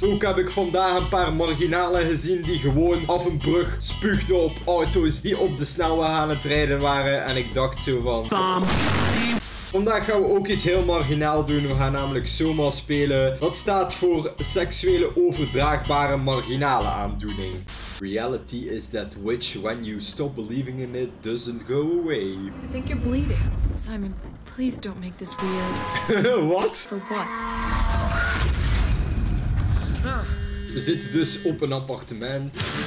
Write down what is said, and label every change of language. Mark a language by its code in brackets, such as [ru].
[nl] Ook heb ik vandaag een paar marginalen gezien die gewoon af een brug spuugden op auto's die op de snelweg aan het rijden waren. En ik dacht zo van... Bam. Vandaag gaan we ook iets heel marginaal doen. We gaan namelijk SOMA spelen. Dat staat voor seksuele overdraagbare marginale aandoening. [en] Reality is that which, when you stop believing in it, doesn't go away. I think you're bleeding. Simon, please don't make this weird. What? For what? [nl] We zitten dus op een appartement.